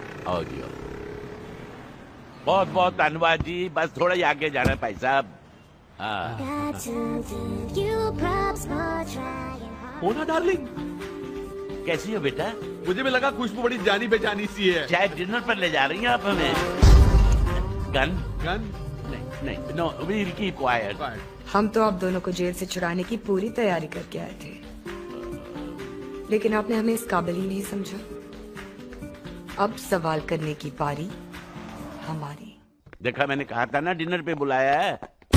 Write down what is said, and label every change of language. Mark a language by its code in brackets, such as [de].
[hi] आओ जी आओ। बहुत बहुत धन्यवाद जी, बस थोड़ा ही आगे जाना है भाई साहब। ओना डार्लिंग, कैसी हो बेटा? मुझे भी लगा खुशबू बड़ी जानी बेजानी सी है। शायद डिनर पर ले जा रही हैं आप हमें। गन गन नहीं, [en] no, we'll keep quiet. [hi] हम तो आप दोनों को जेल से छुड़ाने की पूरी तैयारी करके आए थे, लेकिन आपने हमें इस काबिल ही नहीं समझा। अब सवाल करने की पारी हमारी। देखा मैंने कहा था ना डिनर पे बुलाया है।